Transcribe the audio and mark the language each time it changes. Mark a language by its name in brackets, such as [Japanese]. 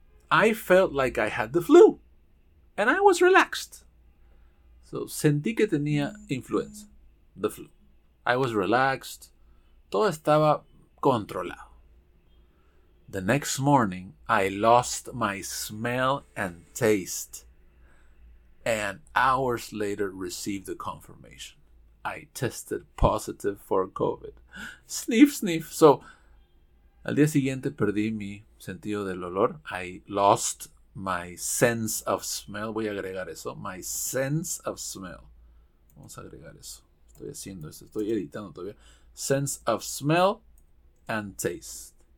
[English] I felt like I had the flu. And I was relaxed. [Spanish] So, sentí que tenía influenza. [English] The flu. I was relaxed. [Spanish] Todo estaba controlado. [English] The next morning, I lost my smell and taste. And hours later, received the confirmation. I tested positive for COVID. Sniff, sniff. [Spanish] So, al día siguiente perdí mi sentido del olor. [English] I lost my sense of smell. [Spanish] Voy a agregar eso. [English] My sense of smell. [Spanish] Vamos a agregar eso. Estoy haciendo eso. Estoy editando todavía. [English] Sense of smell and taste.